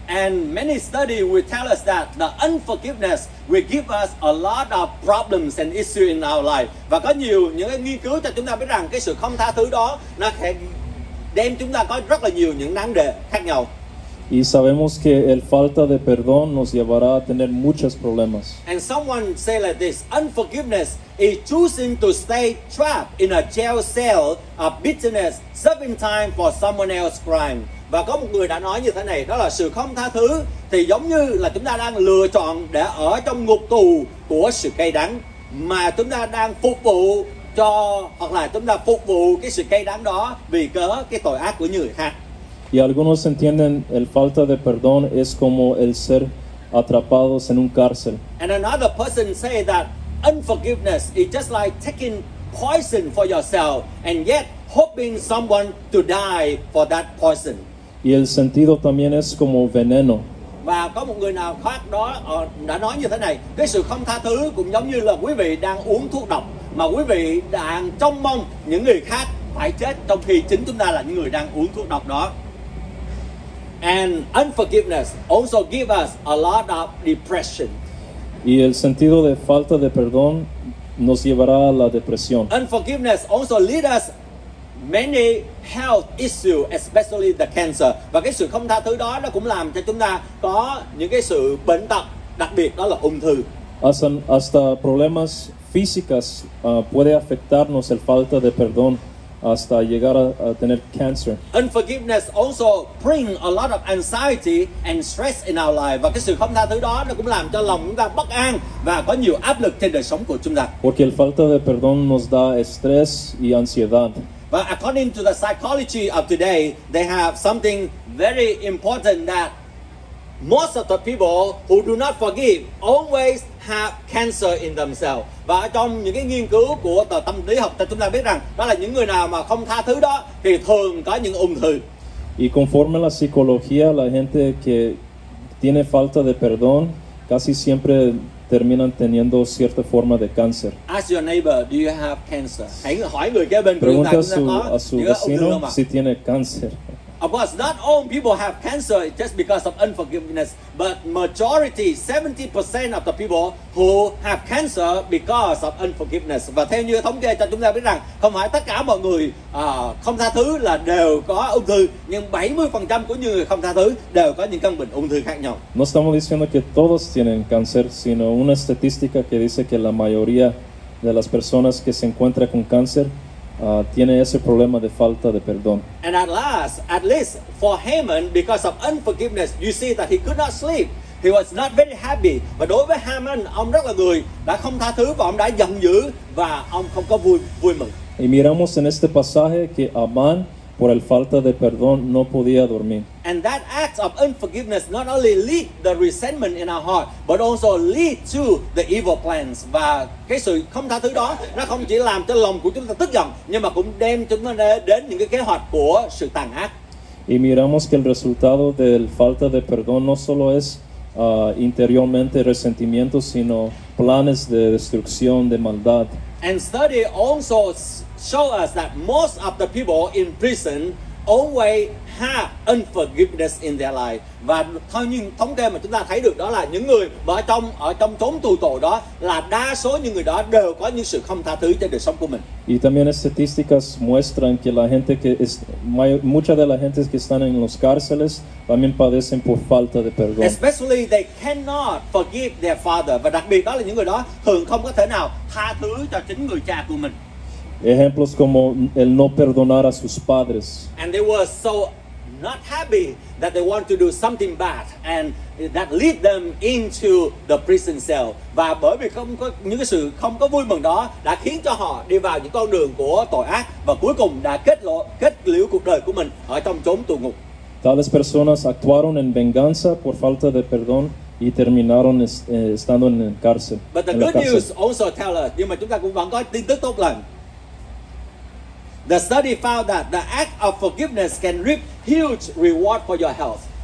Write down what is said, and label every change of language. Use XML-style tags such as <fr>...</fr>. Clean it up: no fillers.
<en>And many studies will tell us that the unforgiveness will give us a lot of problems and issues in our life.</en> <vi>Và có nhiều những cái nghiên cứu cho chúng ta biết rằng cái sự không tha thứ đó nó sẽ đem chúng ta có rất là nhiều những nan đề khác nhau.</vi> <es>Y sabemos que el falta de perdón nos llevará a tener muchos problemas.</es> <en>And someone say like this, unforgiveness is choosing to stay trapped in a jail cell of bitterness, serving time for someone else's crime.</en> <vi>Và có một người đã nói như thế này, đó là sự không tha thứ thì giống như là chúng ta đang lựa chọn để ở trong ngục tù của sự cay đắng mà chúng ta đang phục vụ cho, hoặc là chúng ta phục vụ cái sự cay đắng đó vì cớ cái tội ác của người khác.</vi> <es>Y algunos entienden el falta de perdón es como el ser atrapados en un cárcel.</es> <en>And another person say that unforgiveness is just like taking poison for yourself and yet hoping someone to die for that poison.</en> <es>Y el sentido también es como veneno.</es> <vi>Và có một người nào khác đó đã nói như thế này, cái sự không tha thứ cũng giống như là quý vị đang uống thuốc độc mà quý vị đang trông mong những người khác phải chết trong khi chính chúng ta là những người đang uống thuốc độc đó.</vi> <en>And unforgiveness also give us a lot of depression.</en> <es>Y el sentido de falta de perdón nos llevará a la depresión.</es> <en>Unforgiveness also lead us many health issues, especially the cancer.</en> <vi>Và cái sự không tha thứ đó nó cũng làm cho chúng ta có những cái sự bệnh tật, đặc biệt đó là ung thư.</vi> <es>Hasta problemas físicas puede afectarnos el falta de perdón hasta llegar a tener cancer.</es> <en>Unforgiveness also bring a lot of anxiety and stress in our life.</en> <vi>Và cái sự không tha thứ đó nó cũng làm cho lòng chúng ta bất an và có nhiều áp lực trên đời sống của chúng ta.</vi> <es>Porque el falta de perdón nos da estrés y ansiedad.</es> <en>But according to the psychology of today, they have something very important that most of the people who do not forgive always have cancer in themselves.</en> <vi>Và trong những cái nghiên cứu của tờ tâm lý học cho chúng ta biết rằng đó là những người nào mà không tha thứ đó thì thường có những ung thư.</vi> <es>Y conforme la psicología, la gente que tiene falta de perdón casi siempre terminan teniendo cierta forma de cáncer.</es> <en>Ask your neighbor, do you have cancer?</en> <vi>Hãy hỏi người kia bên cạnh ta có</vi> <es>a su vecino si tiene cáncer.</es> <en>Of course, not all people have cancer just because of unforgiveness, but majority, 70% of the people who have cancer because of unforgiveness.</en> <vi>Và theo như thống kê cho chúng ta biết rằng, không phải tất cả mọi người không tha thứ là đều có ung thư, nhưng 70% của những người không tha thứ đều có những căn bệnh ung thư khác nhau.</vi> <es>No estamos diciendo que todos tienen cáncer, sino una estadística que dice que la mayoría de las personas que se encuentran con cáncer tiene ese problema de falta de perdón.</es> <en>And at last, at least for Haman, because of unforgiveness, you see that he could not sleep. He was not very happy.</en> <vi>Và đối với Haman, ông rất là người đã không tha thứ và ông đã giận dữ và ông không có vui mừng.</vi> <es>Y miramos en este pasaje que Amán, por el falta de perdón, no podía dormir.</es> <en>And that act of unforgiveness not only lead the resentment in our heart, but also lead to the evil plans.</en> <vi>Và cái sự không tha thứ đó, nó không chỉ làm cho lòng của chúng ta tức giận, nhưng mà cũng đem chúng ta đến những cái kế hoạch của sự tàn ác.</vi> <es>Y miramos que el resultado del falta de perdón no solo es interiormente resentimiento, sino planes de destrucción, de maldad.</es> <en>And study also show us that most of the people in prison always have unforgiveness in their life.</en> <vi>Và theo những thống kê mà chúng ta thấy được đó là những người ở trong chốn tù tội đó là đa số những người đó đều có những sự không tha thứ trên đời sống của mình.</vi> <es>Y también estadísticas muestran que la gente que es mucha de la gente que están en los cárceles también padecen por falta de perdón.</es> <en>Especially they cannot forgive their father.</en> <vi>Và đặc biệt đó là những người đó thường không có thể nào tha thứ cho chính người cha của mình.</vi> <es>Ejemplos como el no perdonar a sus padres.</es> <en>And they were so not happy that they want to do something bad and that lead them into the prison cell.</en> <vi>Và bởi vì không có những cái sự không có vui mừng đó đã khiến cho họ đi vào những con đường của tội ác và cuối cùng đã kết liễu cuộc đời của mình ở trong chốn tù ngục.</vi> <es>Tales personas actuaron en venganza por falta de perdón y terminaron estando en cárcel.</es> <en>But the good news also tell us,</en> <vi>nhưng mà chúng ta cũng vẫn có tin tức tốt lành.</vi> <en>The study found that the act of forgiveness can reap huge reward for your health.</en>